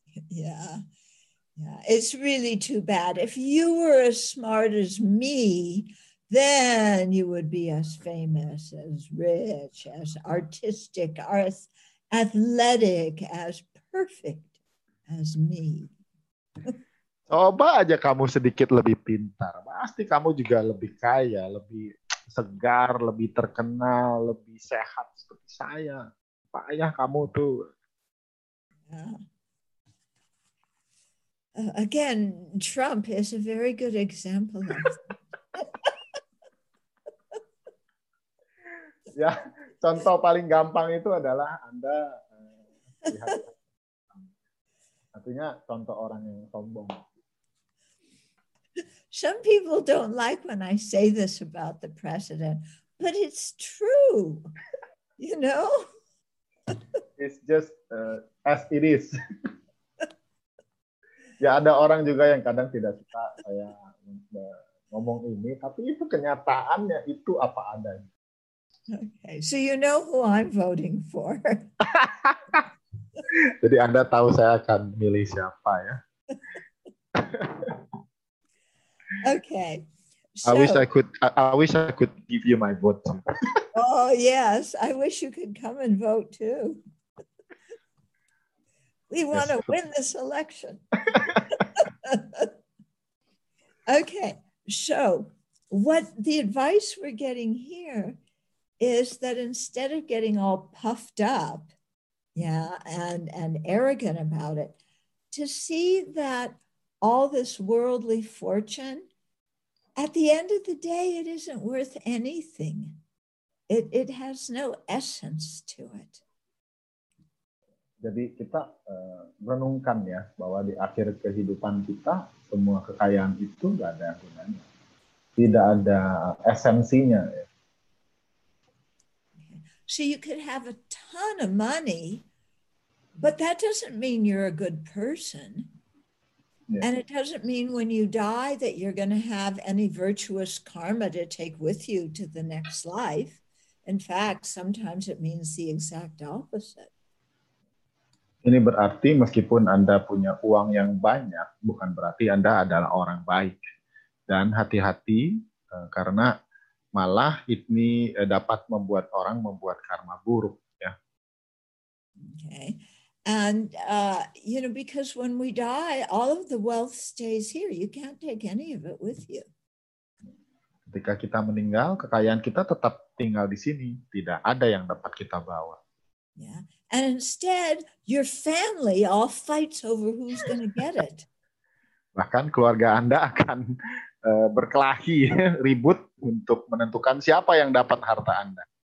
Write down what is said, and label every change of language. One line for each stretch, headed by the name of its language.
English: Yeah. Yeah, it's really too bad. If you were as smart as me, then you would be as famous, as rich, as artistic, as athletic, as perfect as me.
Indonesian: Coba aja kamu sedikit lebih pintar, pasti kamu juga lebih kaya, lebih segar, lebih terkenal, lebih sehat seperti saya. Payah kamu tuh.
English: Again, Trump is a very good example.
Indonesian: Ya, contoh paling gampang itu adalah Anda lihat. Artinya contoh orang yang sombong.
English: Some people don't like when I say this about the president, but it's true, you know. It's just as it is.
Indonesian: Ya, ada orang juga yang kadang tidak suka saya ngomong ini, tapi itu kenyataannya, itu apa adanya.
English: Okay, so you know who I'm voting for.
Indonesian: Jadi Anda tahu saya akan milih siapa ya.
English: Okay. So, I wish I could give you my vote. Oh yes, I wish you could come and vote too. We want to win this election. Okay. So, what the advice we're getting here is that instead of getting all puffed up, yeah, and arrogant about it, to see that all this worldly fortune, at the end of the day, it isn't worth anything. It has no essence to it.
Indonesian: Jadi kita renungkan ya bahwa di akhir kehidupan kita semua kekayaan itu nggak ada gunanya, tidak ada esensinya. Ya.
English: So you could have a ton of money, but that doesn't mean you're a good person. Yeah. And it doesn't mean when you die that you're going to have any virtuous karma to take with you to the next life. In fact, sometimes it means the exact opposite.
Indonesian: Ini berarti meskipun Anda punya uang yang banyak, bukan berarti Anda adalah orang baik. Dan hati-hati, karena malah ini dapat membuat orang membuat karma buruk. Ya.
English: Okay. And, you know, because when we die, all of the wealth stays here. You can't take any of it with you.
Indonesian: Ketika kita meninggal, kekayaan kita tetap tinggal di sini. Tidak ada yang dapat kita bawa.
English: Yeah. And instead, your family all fights over who's going to get it.
Indonesian: Bahkan keluarga Anda akan berkelahi, ribut untuk menentukan siapa yang dapat harta Anda.